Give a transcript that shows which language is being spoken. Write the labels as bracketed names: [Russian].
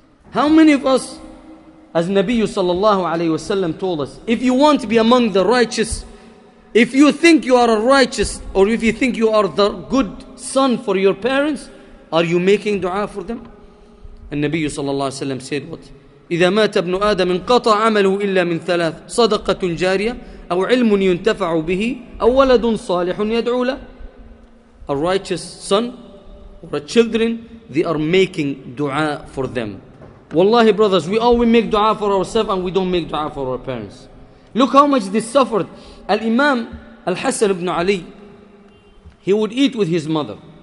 [English] How many of us, as Nabi sallallahu alayhi wasallam told us, if you want to be among the righteous, if you think you are a righteous, or if you think you are the good son for your parents, are you making dua for them? And Nabi sallallahu alayhi wasallam said what? [Arabic] إذا مات ابن آدم انقطع عمله إلا من ثلاث صدقة جارية أو علم ينتفع به أو ولد صالح يدعو له. [English] A righteous son or a children, they are making dua for them. Wallahi brothers, we all, we make dua for ourselves and we don't make dua for our parents. Look how much they suffered. Al-Imam Al-Hassan ibn Ali, he would eat with his mother.